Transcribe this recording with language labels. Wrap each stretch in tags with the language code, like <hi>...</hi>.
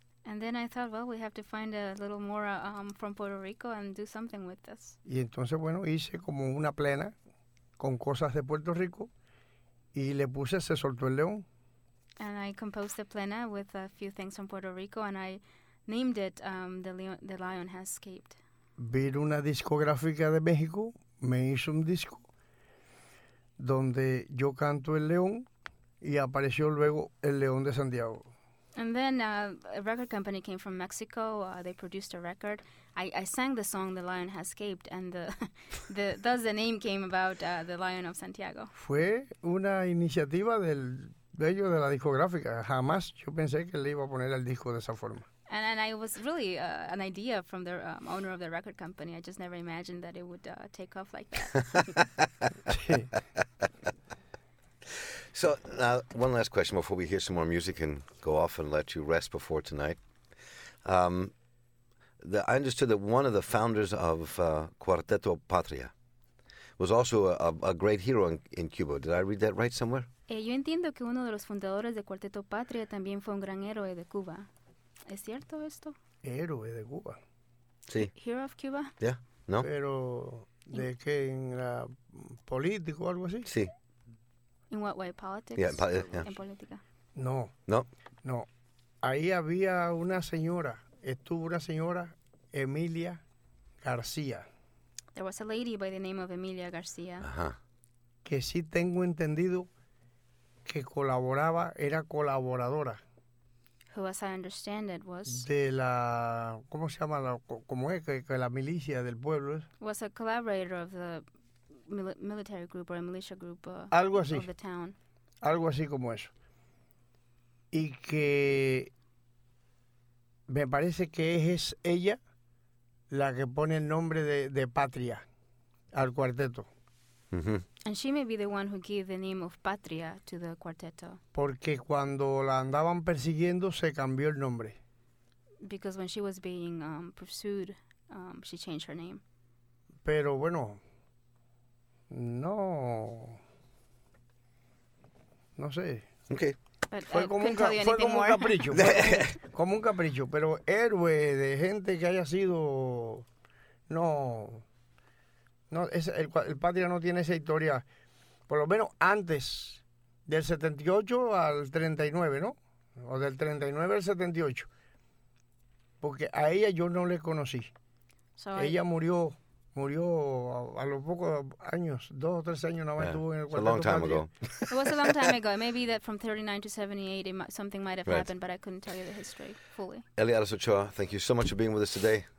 <en>And then I thought, well, we have to find a little more from Puerto Rico and do something with this.</en> <es>Y entonces, bueno, hice como una plena con cosas de Puerto Rico y le puse Se Soltó el León.</es> <en>And I composed a plena with a few things from Puerto Rico and I named it The Lion Has Escaped.</en> <es>Vino una discográfica de México, me hizo un disco donde yo canto el león y apareció luego El León de Santiago.</es> <en>And then a record company came from Mexico. They produced a record. I sang the song "The Lion Has Escaped," and thus the name came about, "The Lion of Santiago."</en> <es>Fue una iniciativa de ellos de la discográfica. Jamás yo pensé que le iba a poner al disco de esa forma.</es> <en>And it was really an idea from the owner of the record company. I just never imagined that it would take off like that. So, now, one last question before we hear some more music and go off and let you rest before tonight. I understood that one of the founders of Cuarteto Patria was also a great hero in Cuba. Did I read that right somewhere?</en> <es>Yo entiendo que uno de los fundadores de Cuarteto Patria también fue un gran héroe de Cuba. ¿Es cierto esto? Héroe de Cuba. Sí.</es> <en>Hero of Cuba? Yeah, no?</en> <es>Pero, ¿de qué? ¿En la político o algo así? Sí.</es> <en>In what way? Politics? Yeah. In politica.</en> <es>No. No. No. Ahí había una señora. Estuvo una señora, Emilia García.</es> <en>There was a lady by the name of Emilia García.</en> <es>Ajá. Que sí tengo entendido que colaboraba, era colaboradora.</es> <en>Who, as I understand it, was...</en> <es>De la... ¿Cómo se llama? La, ¿cómo es? Que la milicia del pueblo es.</es> <en>Was a collaborator of the military group or a militia group</en> <es>algo así.</es> <en>Of the town.</en> <es>Algo así como eso. Y que... Me parece que es ella la que pone el nombre de Patria al cuarteto. Mm-hmm.</es> <en>And she may be the one who gave the name of Patria to the cuarteto.</en> <es>Porque cuando la andaban persiguiendo, se cambió el nombre.</es> <en>Because when she was being pursued, she changed her name.</en> <es>Pero bueno, no... No sé.</es> <en>Okay.</en> <es>Fue como, fue como un capricho. Como un capricho, pero héroe de gente que haya sido... No, no es, el Patria no tiene esa historia. Por lo menos antes, del 78 al 39, ¿no? O del 39 al 78. Porque a ella yo no le conocí.</es> <en>Sorry.</en> <es>Ella murió a los pocos años, dos o tres años, nada más estuvo en el cuarteto.</es> <en>A long time ago. It was a long time ago. It may be that from 39 to 78, something might have happened, but I couldn't tell you the history fully. Eliades Ochoa, thank you so much for being with us today.</en>